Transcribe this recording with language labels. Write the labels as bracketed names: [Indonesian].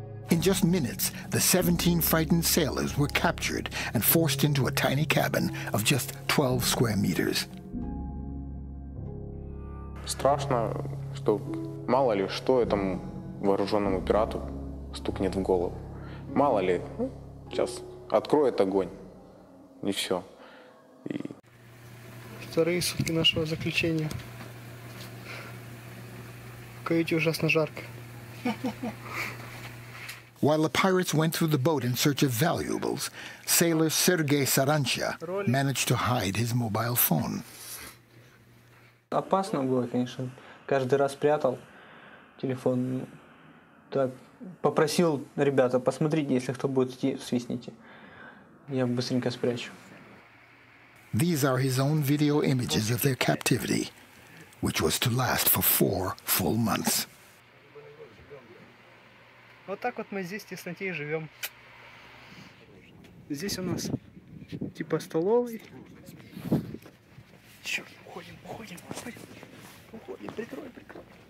[English] In just minutes, the 17 frightened sailors were captured and forced into a tiny cabin of just 12 square meters. [Russian] Страшно, что мало ли что этому вооруженному пирату стукнет в голову. Мало ли, сейчас откроет огонь. И все. Вторые сутки нашего заключения. В каюте ужасно жарко. [English] While the pirates went through the boat in search of valuables, sailor Sergei Саранча managed to hide his mobile phone. [Russian] Опасно было, конечно. Каждый раз прятал телефон. Так, попросил ребята, посмотрите, если кто будет идти, свистните. Я быстренько спрячу. [English] These are his own video images of their captivity, which was to last for 4 full months. [Russian] Вот так вот мы здесь в тесноте и живем. Здесь у нас типа столовый. Еще уходим, уходим, уходим, уходим, прикрой, прикрой.